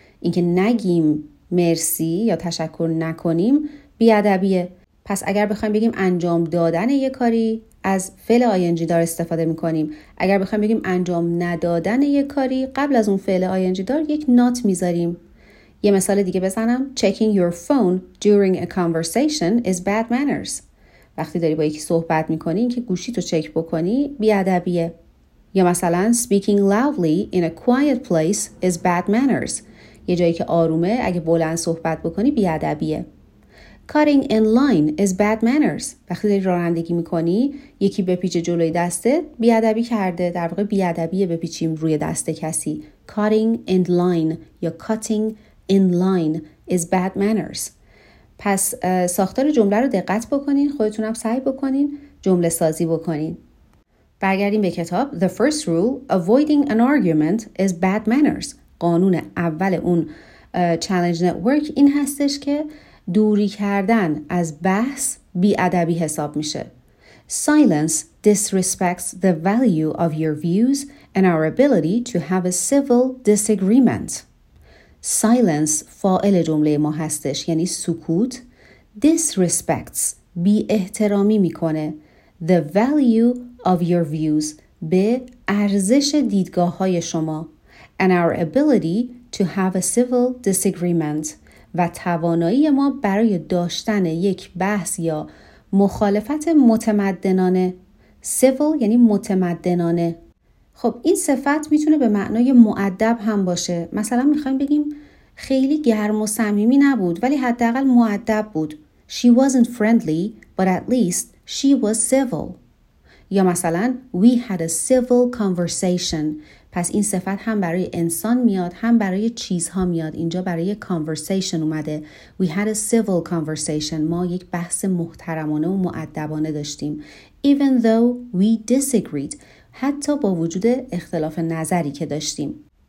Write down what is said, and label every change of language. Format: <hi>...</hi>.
<fa>اینکه نگیم مرسی یا تشکر نکنیم بی ادبیه. پس اگر بخوایم بگیم انجام دادن یه کاری، از فعل ing دار استفاده میکنیم. اگر بخوایم بگیم انجام ندادن یه کاری، قبل از اون فعل ing دار یک not میذاریم. یه مثال دیگه بزنم.</fa> <en>Checking your phone during a conversation is bad manners.</en> <fa>وقتی داری با یکی صحبت میکنی اینکه گوشیتو چک بکنی بی ادبیه. یا مثلا</fa> <en>speaking loudly in a quiet place is bad manners.</en> <fa>یه جایی که آرومه اگه بلند صحبت بکنی بی ادبیه.</fa> <en>Cutting in line is bad manners.</en> <fa>وقتی داری رانندگی میکنی یکی بپیچه جلوی دستت، بی ادبی کرده. در واقع بی ادبیه بپیچیم روی دست کسی.</fa> <en>Cutting in line</en> <fa>یا</fa> <en>cutting in line is bad manners.</en> <fa>پس ساختار جمله رو دقت بکنین، خودتونم سعی بکنین جمله سازی بکنین. برگردیم به کتاب.</fa> <en>The first rule, avoiding an argument is bad manners.</en> <fa>قانون اول اون challenge network این هستش که دوری کردن از بحث بی ادبی حساب میشه.</fa> <en>Silence disrespects the value of your views and our ability to have a civil disagreement.</en> <fa>Silence فاعل جمله ما هستش، یعنی سکوت. Disrespects بی احترامی میکنه</fa> <en>the value of your views،</en> <fa>به ارزش دیدگاه های شما.</fa> <en>And our ability to have a civil disagreement،</en> <fa>و توانایی ما برای داشتن یک بحث یا مخالفت متمدنانه. Civil یعنی متمدنانه. خب این صفت میتونه به معنای مؤدب هم باشه. مثلا میخوایم بگیم خیلی گرم و صمیمی نبود ولی حداقل مؤدب بود.</fa> <en>She wasn't friendly but at least she was civil.</en> <fa>یا مثلا</fa> <en>we had a civil conversation.</en> <fa>پس این صفت هم برای انسان میاد هم برای چیزها میاد. اینجا برای conversation اومده.</fa> <en>We had a civil conversation.</en> <fa>ما یک بحث محترمانه و مؤدبانه داشتیم.</fa> <en>Even though we disagreed.</en> <fa>حتی با وجود اختلاف نظری که داشتیم.</fa>